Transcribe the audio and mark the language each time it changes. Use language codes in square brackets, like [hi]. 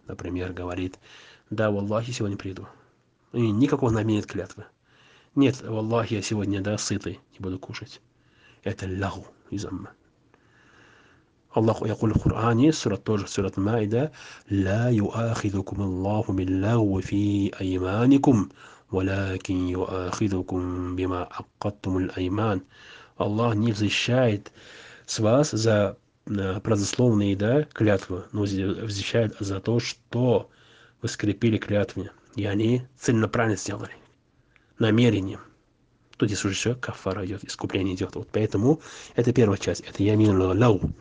[ru] Например, говорит, да, валлахи, сегодня приду. И никакого намерения клятвы. Нет, валлахи, я сегодня, да, сытый, не буду кушать. Это лау из амма. [ar] Аллаху якул [ru] в Коране, [ar] сурат [ru] тоже, [ar] сурат Маида, «Ла юахидукум Аллаху биллагу фи айманикум». ولكن يؤاخذكم بما عقدتم الايمان. [ru] Аллах не взыщает с вас за празднословные, да, клятвы, но взыщает за то, что вы скрепили клятвы, и они целенаправленно сделали, намерением. Тут здесь уже все, кафара идет, искупление идет. Вот поэтому это первая часть, это ямин лау.